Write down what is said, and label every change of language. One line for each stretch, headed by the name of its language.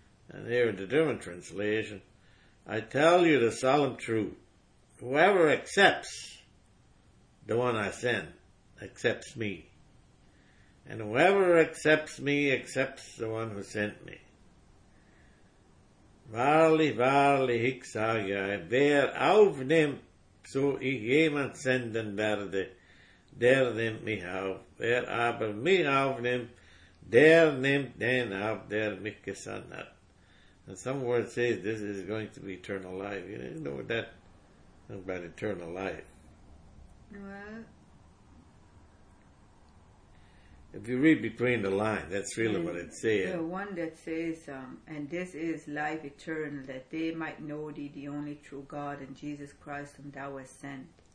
English: And here in the different translation, I tell you the solemn truth. Whoever accepts the one I send, accepts me. And whoever accepts me, accepts the one who sent me. Verily, verily, hic sage I,
German: wer aufnimmt, so ich jemand senden werde, der nimmt mich auf. Wer aber mich aufnimmt, der nimmt den auf, der mich gesandt hat.
English: And some word says this is going to be eternal life. You know that about eternal life. What? If you read between the lines, that's really what it says. The one that says, and this is life eternal, that they might know thee, the only true God, and Jesus Christ whom thou hast sent.